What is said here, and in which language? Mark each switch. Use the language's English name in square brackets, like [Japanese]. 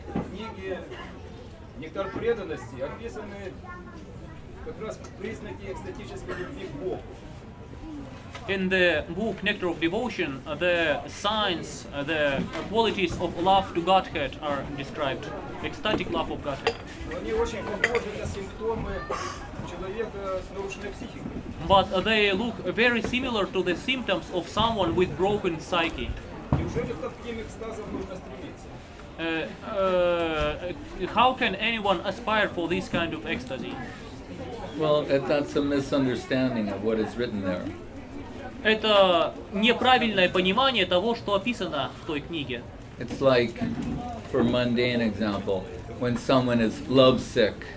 [Russian] Книги «Нектар преданности» описаны как раз признаки экстатической любви к Богу. [English] In the book Nectar of Devotion, the signs, the qualities of love to Godhead are described. Ecstatic love of Godhead. [Russian] Они очень похожи на симптомы человека с нарушенной психикой. [English] But they look very similar to the symptoms of someone with broken psyche. [Russian] Неужели к таким экстазам нужно стремиться? [English] How can anyone aspire for this kind of ecstasy? Well, that's a misunderstanding of what is written there. [Russian] Это неправильное понимание того, что описано в той книге. [English] It's like, for mundane example, when someone is lovesick.